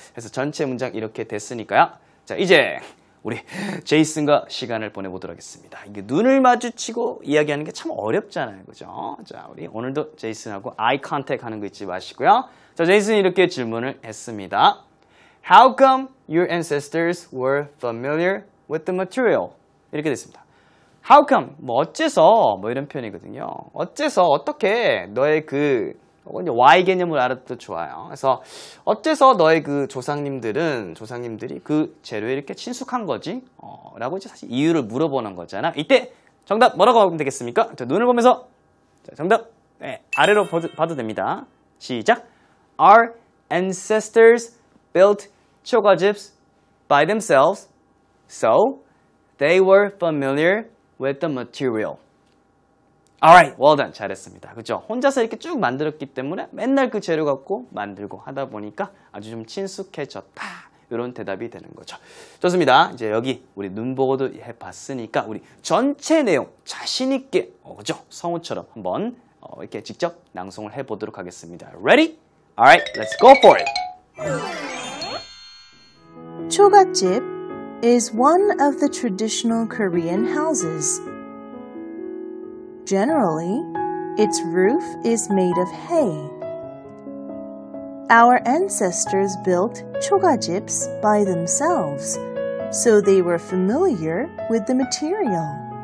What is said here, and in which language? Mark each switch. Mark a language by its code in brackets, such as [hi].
[ko] 그래서 전체 문장 이렇게 됐으니까요. 자, 이제 우리 제이슨과 시간을 보내보도록 하겠습니다. 이게 눈을 마주치고 이야기하는 게 참 어렵잖아요. 그죠? 자, 우리 오늘도 제이슨하고 아이 컨택 하는 거 잊지 마시고요. 자, 제이슨이 이렇게 질문을 했습니다. [en] How come your ancestors were familiar with the material? [ko] 이렇게 됐습니다. [en] How come? [ko] 뭐 어째서? 뭐 이런 표현이거든요. 어째서? 어떻게? 너의 그 Y 개념을 알아도 좋아요. 그래서 어째서 너의 그 조상님들이 그 재료에 이렇게 친숙한 거지? 라고 이제 사실 이유를 물어보는 거잖아. 이때 정답 뭐라고 하면 되겠습니까? 자, 눈을 보면서 자, 정답 네, 아래로 봐도 됩니다. 시작! [en] Our ancestors built chocolates by themselves, so they were familiar with the material. Alright, well done. [ko] 잘했습니다. 그죠? 혼자서 이렇게 쭉 만들었기 때문에 맨날 그 재료 갖고 만들고 하다 보니까 아주 좀 친숙해졌다. 이런 대답이 되는 거죠. 좋습니다. 이제 여기 우리 눈 보고도 해봤으니까 우리 전체 내용 자신있게, 그죠? 성우처럼 한번 이렇게 직접 낭송을 해보도록 하겠습니다. [en] Ready? Alright, let's go for it. 초가집 is one of the traditional Korean houses. Generally, its roof is made of hay. Our ancestors built 초가집s by themselves, so they were familiar with the material.